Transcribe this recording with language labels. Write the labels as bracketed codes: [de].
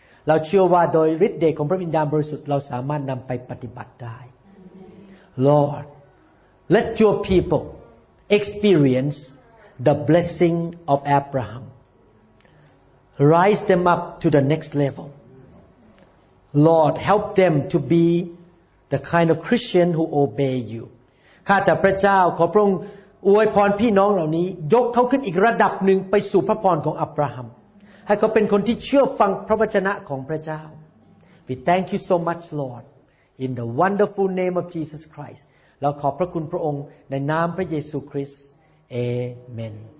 [th] เราเชื่อว่าโดยฤทธิ์เดชของพระวิญญาณบริสุทธิ์เราสามารถนำไปปฏิบัติได้ [en] Lord, let your people experience the blessing of Abraham. Rise them up to the next level. Lord, help them to be the kind of Christian who obey you. [th] ข้าแต่พระเจ้าขอพระองค์อวยพรพี่น้องเหล่านี้ยกเขาขึ้นอีกระดับหนึ่งไปสู่พระพรของอับราฮัมให้เขาเป็นคนที่เชื่อฟังพระวจนะของพระเจ้า [en] We thank you so much, Lord, in the wonderful name of Jesus Christ. [th] เราขอบพระคุณพระองค์ในนามพระเยซูคริสต์ Amen.